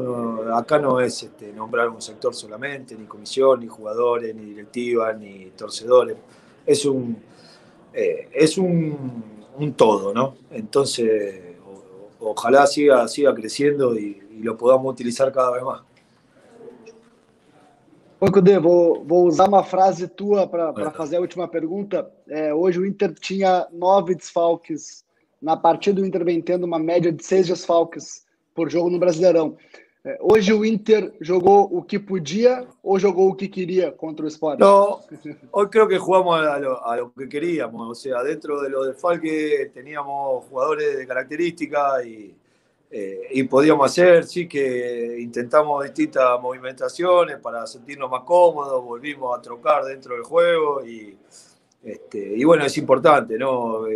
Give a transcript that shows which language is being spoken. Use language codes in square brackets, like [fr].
[es] No, acá no es nombrar un sector solamente, ni comisión, ni jugadores, ni directiva, ni torcedores. Es un todo, ¿no? Entonces, ojalá siga creciendo y lo podamos utilizar cada vez más. [pt] Oi, Cudê, vou usar uma frase tua para fazer a última pergunta. Hoje o Inter tinha 9 desfalques. Na partida, o Inter vem tendo uma média de 6 desfalques por jogo no Brasileirão. Hoje o Inter jogou o que podia ou jogou o que queria contra o Sport? Não, hoje [es] creo que jugamos a lo que queríamos. [pt] Ou seja, [es] dentro de los desfalques, teníamos jugadores de característica y podíamos hacer, sí que intentamos distintas movimentaciones para sentirnos más cómodos, volvimos a trocar dentro del juego y bueno, es importante, ¿no?